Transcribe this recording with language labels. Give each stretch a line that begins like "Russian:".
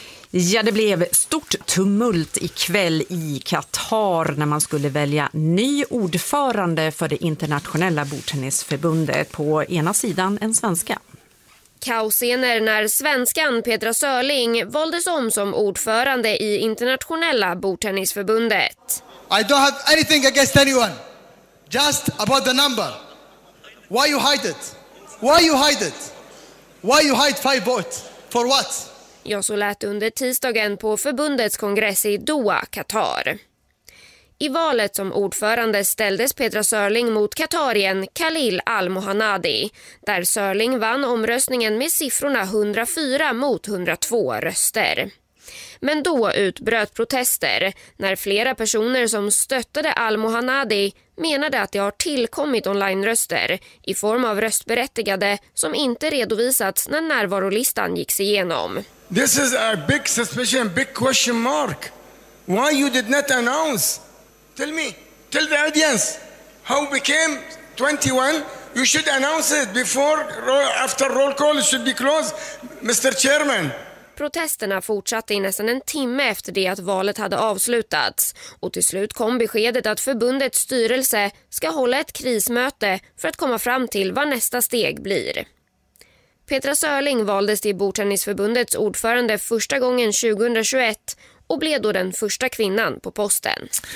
Swedish: Ja, det blev stort tumult ikväll i Qatar när man skulle välja ny ordförande för det internationella bordtennisförbundet, på ena sidan en svenska. Kaosscener när svenskan Petra Sörling valdes om som ordförande i internationella bordtennisförbundet.
English: I don't have anything against anyone. Just about the number. Why you hide it? Why you hide it? Why you hide five votes? For what?
Swedish: Jag så lät under tisdagen på förbundets kongress i Doha, Qatar. I valet som ordförande ställdes Petra Sörling mot katarien Khalil Al-Mohanadi, där Sörling vann omröstningen med siffrorna 104 mot 102 röster. Men då utbröt protester när flera personer som stöttade Al-Mohanadi menade att det har tillkommit online-röster i form av röstberättigade som inte redovisats när närvarolistan gick igenom.
English: This is a big suspicion, big question mark. Why you did not announce? Tell me, tell the audience how became 21. You should announce it before, after roll call should be closed, Mr. Chairman.
Swedish: Protesterna fortsatte i nästan en timme efter det att valet hade avslutats, och till slut kom beskedet att förbundets styrelse ska hålla ett krismöte för att komma fram till vad nästa steg blir. Petra Sörling valdes till bordtennisförbundets ordförande första gången 2021 och blev då den första kvinnan på posten.